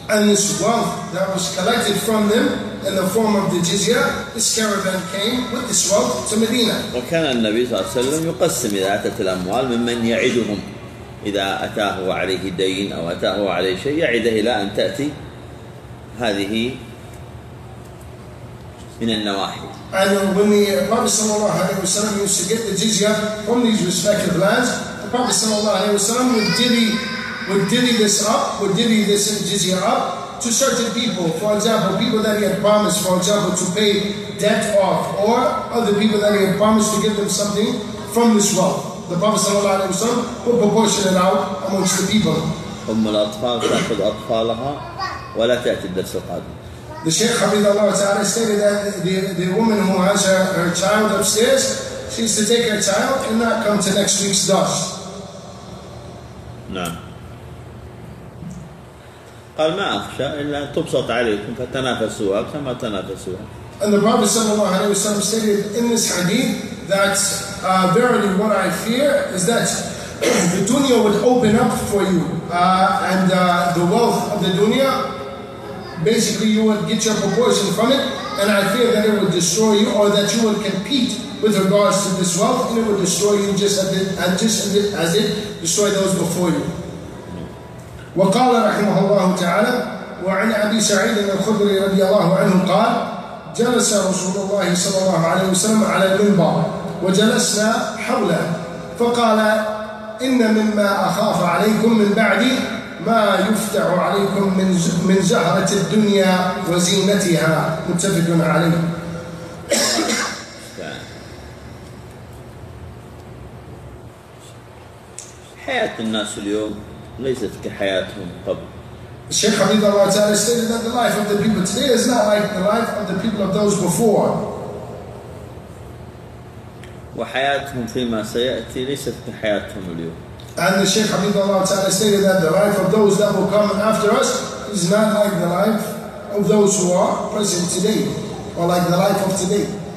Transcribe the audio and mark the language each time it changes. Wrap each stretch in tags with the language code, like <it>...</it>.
<en>And this wealth that was collected from them in the form of the jizya, this caravan came with this wealth to Medina.</en> <ar>وكان النبي صلى الله عليه وسلم يقسم إذا أتت الأموال ممن يعدهم إذا أتاه عليه دين أو أتاه عليه شيء يعده إلى أن تأتي هذه من النواحي.</ar> <en>And when the Prophet</en> <ar>صلى الله عليه وسلم</ar> <en>used to get the jizya from these respective lands. The Prophet sallallahu alaihi wasallam would divvy this jizya up to certain people. For example, people that he had promised, for example, to pay debt off, or other people that he had promised to give them something from this wealth. The Prophet sallallahu alaihi wasallam would proportion it out amongst the people.</en> <ar>أم الأطفال تأخذ أطفالها ولا تأتي الدرس القادم.</ar> <en>The Sheikh Hafidhahullah ta'ala stated that the woman who has her child upstairs. She is to take her child and not come to next week's dars.</en> <ar>نعم. قال ما أخشى إلا تبسط عليكم فتنافسوها كما تنافسوها.</ar> <en>And the Prophet sallallahu alaihi wasallam stated in this hadith that verily what I fear is that the dunya would open up for you and the wealth of the dunya, basically you would get your proportion from it, and I fear that it would destroy you or that you would compete. With regards to this wealth, and it would destroy you just as it destroyed those before you.</en> <ar>وقال رحمه الله تعالى وعن أبي سعيد الخدري رضي الله عنه قال جلس رسول الله صلى الله عليه وسلم على المنبر وجلسنا حوله فقال إن مما أخاف عليكم من بعدي ما يفتح عليكم من زهرة الدنيا وزينتها. متفق عليه. حياة الناس اليوم ليست كحياتهم قبل. الشيخ حبيب الله تعالى</ar> <en>said that the life of the people today is not like the life of the people of those before.</en> <ar>وحياتهم فيما سيأتي ليست كحياتهم اليوم.</ar> <en>And the Shaykh Habib Allah Ta'ala stated that the life of those that will come after us is not like the life of those who are present today, or like the life of today.</en>